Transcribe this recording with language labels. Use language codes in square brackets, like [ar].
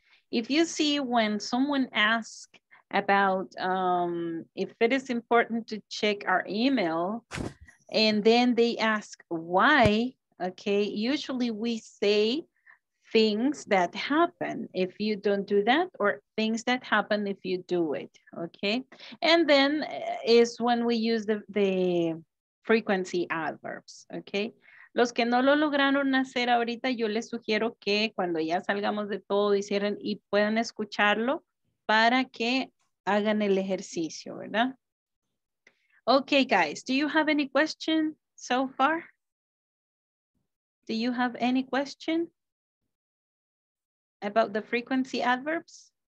[en] If you see when someone asks about if it is important to check our email, and then they ask why, okay, usually we say things that happen if you don't do that, or things that happen if you do it, okay? And then is when we use the frequency adverbs, okay? [es] Los que no lo lograron hacer ahorita, yo les sugiero que cuando ya salgamos de todo y cierren y puedan escucharlo para que hagan el ejercicio, ¿verdad? [en] Okay, guys, do you have any question so far? Do you have any question about the frequency adverbs?